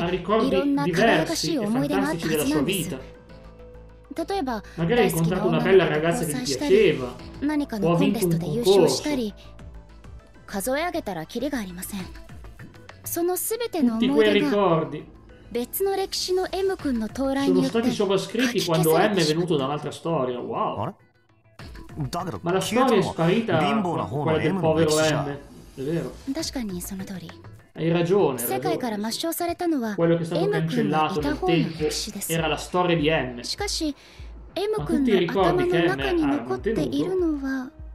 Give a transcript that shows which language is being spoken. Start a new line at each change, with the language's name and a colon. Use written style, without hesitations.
Italian: ha ricordi diversi e fantastici della sua vita. Magari ha incontrato una bella ragazza che gli piaceva, o ha vinto un concorso.
Japanese: 数え上げたらキリがありません。そのすべての思い出が別の歴史の M 君の到来によって書き消されてしまった。
Italian: M è venuto da un'altra storia. Wow.
Japanese: だけど、
Italian: ma la storia è sparita.
Japanese: 貧乏な方の M の歴史は。
Italian: è vero.
Japanese: 確かにその通り。
Italian: Hai ragione.
Japanese: 世界から抹消されたのは
Italian: quello che è stato cancellato nel tempo era la storia di M.
Japanese: しかし、M 君の頭の中に残っているのは。